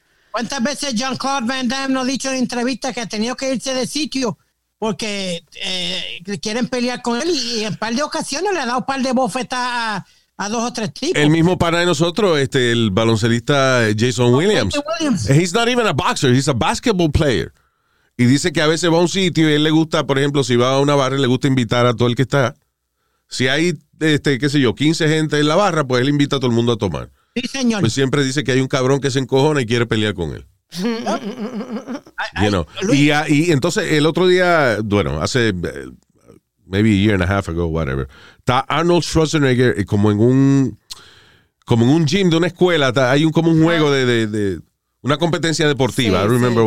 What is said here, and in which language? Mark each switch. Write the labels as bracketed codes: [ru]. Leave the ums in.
[es] ¿Cuántas veces John Claude Van Damme nos ha dicho en la entrevista que ha tenido que irse de sitio porque eh, quieren pelear con él? Y en par de ocasiones le ha dado un par de bofetas a, a, dos o tres tipos. El mismo para de nosotros, este, el baloncelista Jason Williams. Oh, Williams. [en] He's not even a boxer, he's a basketball player. [es] Y dice que a veces va a un sitio y a él le gusta, por ejemplo, si va a una barra, le gusta invitar a todo el que está. Si hay, este, qué sé yo, 15 gente en la barra, pues él invita a todo el mundo a tomar. Sí, señor. Pues siempre dice que hay un cabrón que se encojona y quiere pelear con él. No. I, I, y, a, y, entonces el otro día, bueno, hace [en] maybe a year and a half ago, whatever, [es] está Arnold Schwarzenegger como en un como en un gym de una escuela, ta, hay un como un juego de, de, de, de una competencia deportiva, sí, [en] I don't remember [es] sí.